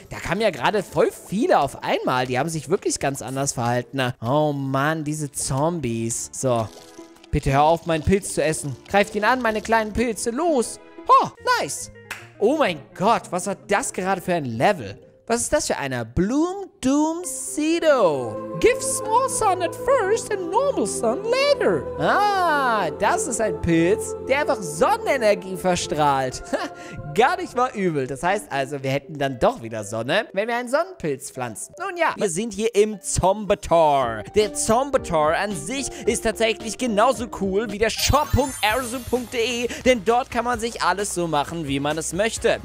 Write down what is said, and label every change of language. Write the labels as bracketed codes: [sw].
[de] Da kamen ja gerade voll viele auf einmal. Die haben sich wirklich ganz anders verhalten. Oh Mann, diese Zombies. So. Bitte hör auf, meinen Pilz zu essen. Greift ihn an, meine kleinen Pilze. Los. Ho, nice. Oh mein Gott, was hat das gerade für ein Level? Was ist das für einer? Bloom Doom Cedo. [en] Give small sun at first and normal sun later. [de] Ah, das ist ein Pilz, der einfach Sonnenenergie verstrahlt. Gar nicht mal übel. Das heißt also, wir hätten dann doch wieder Sonne, wenn wir einen Sonnenpilz pflanzen. Nun ja, wir sind hier im Zombator. Der Zombator an sich ist tatsächlich genauso cool wie der shop.arizoo.de, denn dort kann man sich alles so machen, wie man es möchte.